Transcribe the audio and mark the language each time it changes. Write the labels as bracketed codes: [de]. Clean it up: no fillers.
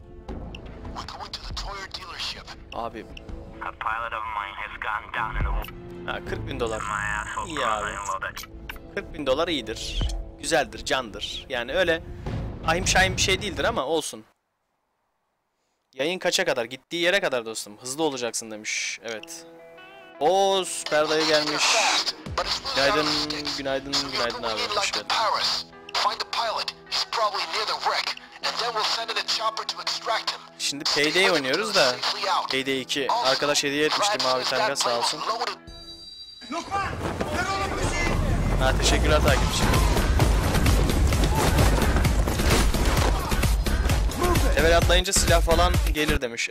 [en] We're going to the Toyo dealership. [tr] Abi. [en] A pilot of mine has gone down in the... [tr] $40,000. İyi abi. $40,000 iyidir. Güzeldir, candır. Yani öyle ahim şahim bir şey değildir ama olsun. Yayın kaça kadar? Gittiği yere kadar dostum. Hızlı olacaksın demiş. Evet. Ooo, süper dayı gelmiş. Günaydın, günaydın, günaydın abi. Hoş geldin. [en] Find the pilot. He's probably near the wreck. And then we'll send in a chopper to extract him. [tr] Şimdi Payday oynuyoruz da. Payday 2. Arkadaş hediye etmişti mavi tanga, sağ olsun. Ha, teşekkürler takipçim. Evvel atlayınca silah falan gelir demiş.